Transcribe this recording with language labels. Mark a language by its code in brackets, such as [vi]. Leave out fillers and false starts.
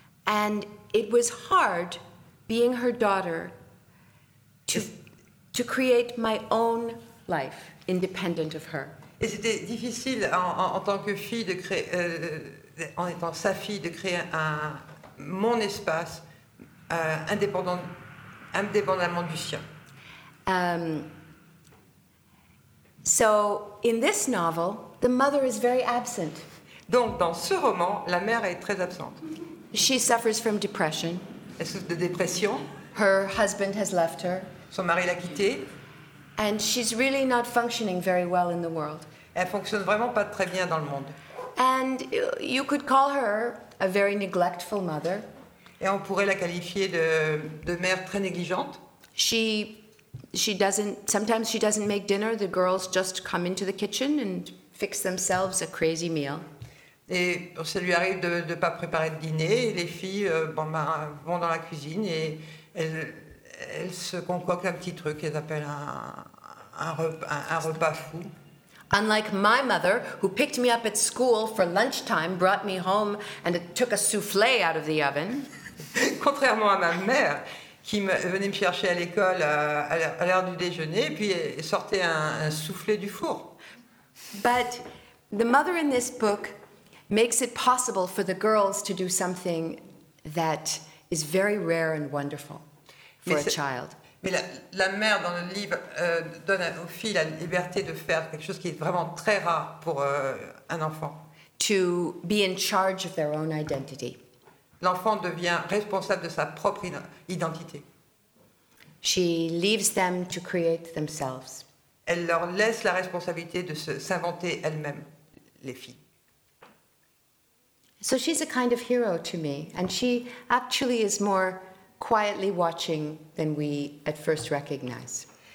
[en] And it was hard being her daughter to create my own life independent of her. [fr] Et c'était difficile en tant que fille de créer en étant sa fille de créer mon espace indépendamment du sien. [en] So in this novel, the mother is very absent. [fr] Donc dans ce roman, la mère est très absente. [en] She suffers from depression. [fr] Elle souffre de dépression. [en] Her husband has left her. [fr] Son mari l'a quittée. [en] And she's really not functioning very well in the world. [fr] Elle fonctionne vraiment pas très bien dans le monde. [en] And you could call her a very neglectful mother. [fr] Et on pourrait la qualifier de mère très négligente. [en] She doesn't make dinner. The girls just come into the kitchen and fix themselves a crazy meal. [fr] Et ça lui arrive de ne pas préparer de dîner. Et les filles vont dans la cuisine et elles se concoctent un petit truc qu'elles appellent un repas fou. [en] Unlike my mother, who picked me up at school for lunchtime, brought me home and took a soufflé out of the oven. [fr] Contrairement à ma mère, qui venait me chercher à l'école à l'heure du déjeuner, puis sortait un soufflé du four. [en] But the mother in this book makes it possible for the girls to do something that is very rare and wonderful for a child. [fr] Mais la mère dans le livre donne aux filles la liberté de faire quelque chose qui est vraiment très rare pour un enfant. [en] To be in charge of their own identity. [fr] L'enfant devient responsable de sa propre identité. [en] She leaves them to create themselves. [fr] Elle leur laisse la responsabilité de s'inventer elles-mêmes, les filles. [en] So she's a kind of hero to me, and she actually is more quietly watching than we at first recognize.